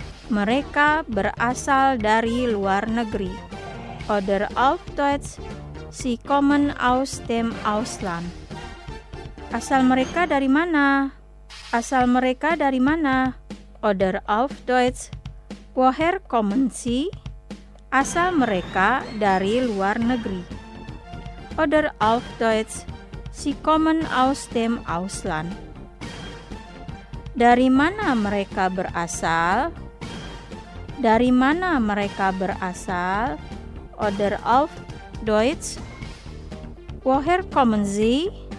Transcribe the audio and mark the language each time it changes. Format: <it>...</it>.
<id>Mereka berasal dari luar negeri.</id> <de>Oder auf Deutsch, sie kommen aus dem Ausland. Oder auf Deutsch, woher kommen Sie?</de> <id>asal mereka dari luar negeri.</id> <de>Oder auf Deutsch, sie kommen aus dem Ausland.</de> <id>Dari mana mereka berasal? Dari mana mereka berasal?</id> <de>Oder auf Deutsch, woher kommen sie?</de>